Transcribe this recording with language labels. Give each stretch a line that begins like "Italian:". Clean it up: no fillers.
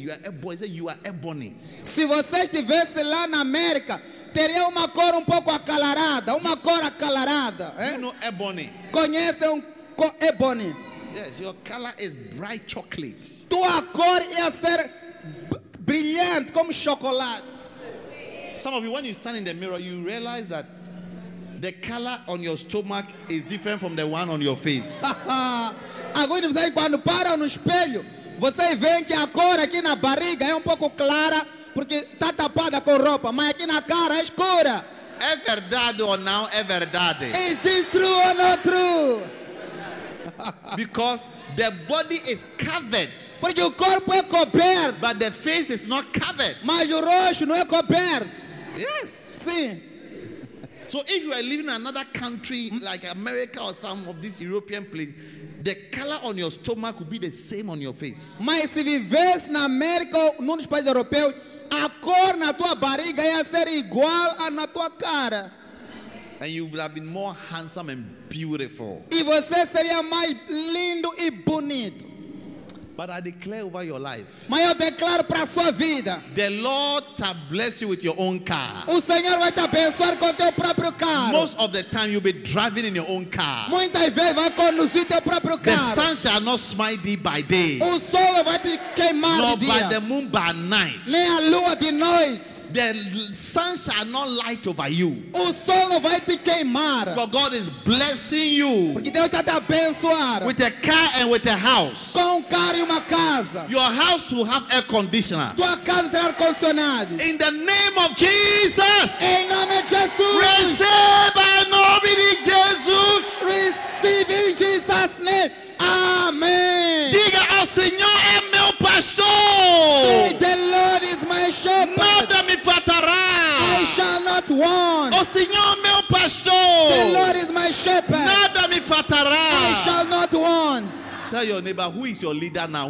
English: You are ebony. Say you are ebony.
Portuguese: Se você estivesse lá na América, teria uma cor um pouco acalorada, uma cor acalorada.
English: You know ebony.
Portuguese: Conhece ebony?
English: Yes, your color is bright chocolate.
Portuguese: Tua cor ia ser brilhante como chocolate.
English: Some of you, when you stand in the mirror, you realize that the color on your stomach is different from the one on your face.
Portuguese: Agora você quando para no espelho, você vê que a cor aqui na barriga é um pouco clara porque está tapada com roupa, mas aqui na cara é escura. É verdade ou não é verdade?
English: Is this true or not true? Because the body is covered.
Portuguese: Porque o corpo é coberto.
English: But the face is not covered.
Portuguese: Mas o rosto não é coberto.
English: Yes.
Portuguese: Sim.
English: So if you are living in another country like America or some of these European places, the color on your stomach will be the same on your face.
Portuguese: Mas se vives na América ou nos países europeus, a cor na tua barriga ia ser igual a na tua cara.
English: And you would have been more handsome and beautiful.
Portuguese: E você seria mais lindo e bonito.
English: But I declare over your life.
Portuguese: Mas eu declaro para sua vida.
English: The Lord shall bless you with your own car.
Portuguese: O Senhor vai te abençoar com teu próprio carro.
English: Most of the time you'll be driving in your own car.
Portuguese: Muitas vezes vai conduzir teu próprio carro.
English: The sun shall not smite thee by day.
Portuguese: O sol vai te queimar
English: nor
Portuguese: dia.
English: By the moon by night.
Portuguese: Nem a lua de noite.
English: The sun shall not light over you.
Portuguese: O sol não vai te queimar.
English: For God is blessing you.
Portuguese: Porque Deus está te abençoando.
English: With a car and with a house.
Portuguese: Com carro e uma casa.
English: Your house will have air conditioner.
Portuguese: Tua casa terá ar condicionado.
English: In the name of Jesus.
Portuguese: Em nome de Jesus. Receba em nome de Jesus.
English: Receive in Jesus name. Amém.
Portuguese: Diga ao Senhor é meu pastor.
English: Say, the Lord is my shepherd.
Portuguese: Nada me faltará.
English: I shall not want.
Portuguese: O Senhor é meu pastor.
English: The Lord is my shepherd.
Portuguese: Nada me faltará.
English: I shall not want. Tell your neighbor, who is your leader now?